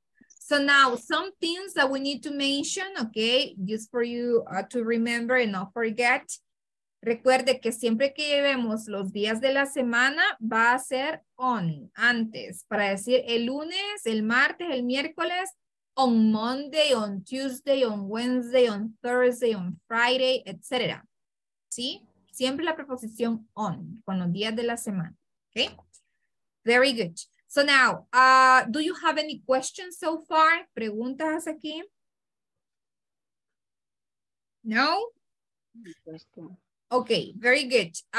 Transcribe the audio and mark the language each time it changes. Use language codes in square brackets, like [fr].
[en] So now some things that we need to mention, okay, just for you to remember and not forget. [es] Recuerde que siempre que llevemos los días de la semana va a ser on, antes, para decir el lunes, el martes, el miércoles, [en] on Monday, on Tuesday, on Wednesday, on Thursday, on Friday, [es] etc. ¿Sí? Siempre la preposición on, con los días de la semana. [en] Okay? Very good. So now, do you have any questions so far? [es] ¿Preguntas aquí? [en] No? Okay, very good.